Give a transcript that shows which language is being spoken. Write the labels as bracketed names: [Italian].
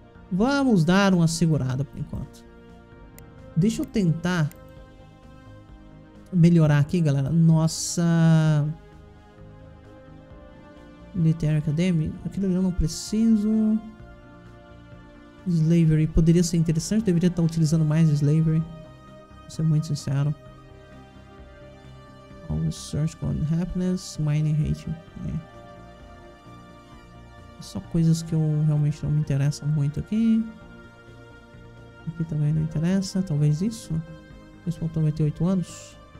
[Portuguese] Vamos dar uma segurada por enquanto. Deixa eu tentar melhorar aqui, galera. Nossa... Military Academy? Aquilo ali eu não preciso... Slavery poderia ser interessante, eu deveria estar utilizando mais slavery. Vou ser muito sincero. [English] Always search for happiness, mining hate. [Portuguese] É. Só coisas que eu realmente não me interessa muito aqui. Aqui também não interessa. Talvez isso. Esse ponto vai ter 8 anos.